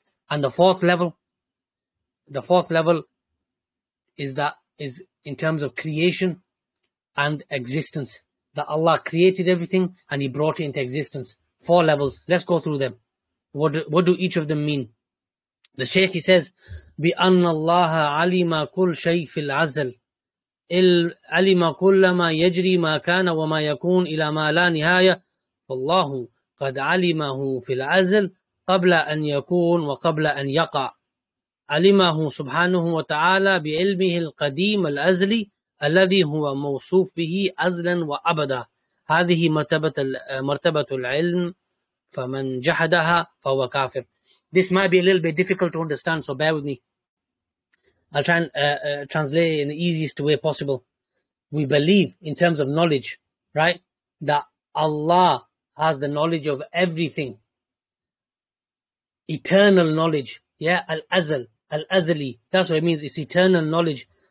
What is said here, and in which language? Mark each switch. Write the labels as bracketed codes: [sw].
[en] And the fourth level, is in terms of creation and existence. That Allah created everything and he brought it into existence. Four levels. Let's go through them. What do each of them mean? The Shaykh, he says, [ar] بِأَنَّ اللَّهَ عَلِمَ كُلْ شَيْءٍ فِي الْعَزَلِ عَلِمَ كُلَّ مَا يَجْرِي مَا كَانَ وَمَا يَكُونَ إِلَى مَا لَا نِهَايَةَ فَاللَّهُ قَدْ عَلِمَهُ فِي الْعَزَلِ قَبْلَ أَنْ يَكُونَ وَقَبْلَ أَنْ يَقَعَ علمه سبحانه وتعالى بعلمه القديم الأزلي الذي هو موصوف به أزلا وأبدا هذه مرتبة العلم فمن جحدها فهو كافر. [en] This might be a little bit difficult to understand, so bear with me. I'll try and translate it in the easiest way possible. We believe in terms of knowledge, right? That Allah has the knowledge of everything. Eternal knowledge, yeah? Al-Azl. Al-Azali, that's what it means, it's eternal knowledge.